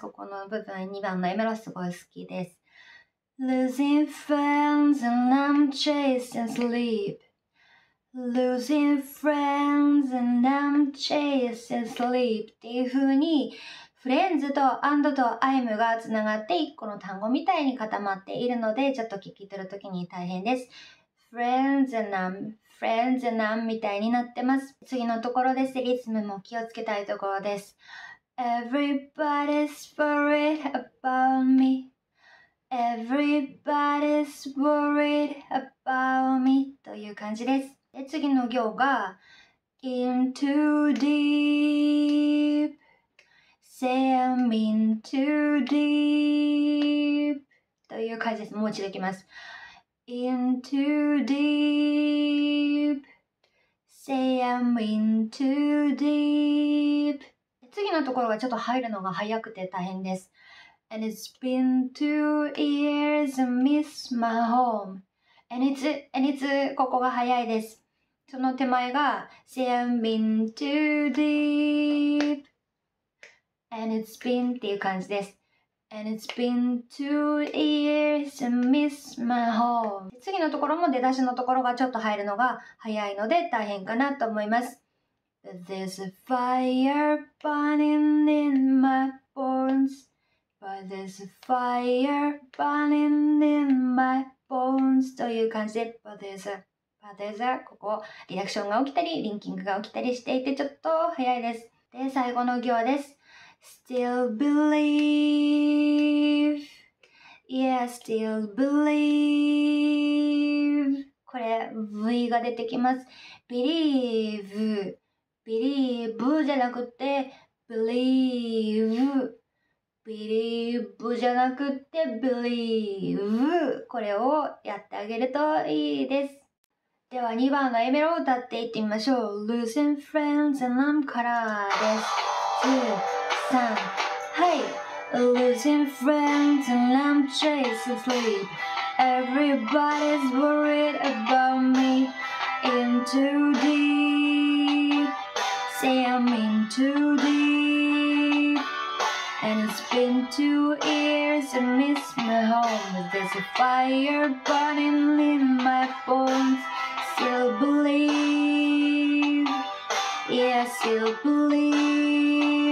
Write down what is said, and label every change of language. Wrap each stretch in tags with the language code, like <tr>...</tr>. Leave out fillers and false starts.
<ja>ここの部分2番の A メロすごい好きです。</ja> <en>Losing friends and I'm chasing sleep</en> <ja>Losing friends and I'm chasing sleep っていう風にフレンズとアンドとアイムがつながって1個の単語みたいに固まっているのでちょっと聞き取るときに大変です。</ja> <en>Friends and I'mFriends and I'm</en> <ja>みたいになってます。次のところです。リズムも気をつけたいところです。</ja> <en>Everybody's worried about me. Everybody's worried about me.</en> <ja>という感じです。で次の行が</ja> <en>In too deep. Say I'm in too deep.</en> <ja>という感じです。もう一度いきます。</ja> <en>In too deep Say I'm in too deep</en> <ja>次のところがちょっと入るのが早くて大変です。</ja> <en>And it's been 2 years I miss my home And it's</en> <ja>ここが早いです。その手前が</ja> <en>Say I'm in too deep And it's been</en> <ja>っていう感じです。</ja> <en>And it's been 2 years I miss my home.</en> <ja>次のところも出だしのところがちょっと入るのが早いので大変かなと思います。</ja> <en>There's a fire burning in my bones. But there's a fire burning in my bones.</en> <ja>という感じで、</ja> <en>But there's a,</en> <ja>ここ、リアクションが起きたり、リンキングが起きたりしていてちょっと早いです。で、最後の行です。</ja> <en>Still believe, yeah, still believe.</en> <ja>これ V が出てきます。 Believe, believe じゃなくて believe, believe じゃなくて believe. これをやってあげるといいです。では2番の A メロを歌っていってみましょう。</ja> <en>Losing friends and I'm color</en> <ja>です。はい、</ja> <en>Losing friends and I'm chasing sleep Everybody's worried about me In too deep Say I'm in too deep And it's been 2 years I miss my home There's a fire burning in my bones Still believe Yeah, still believe</en>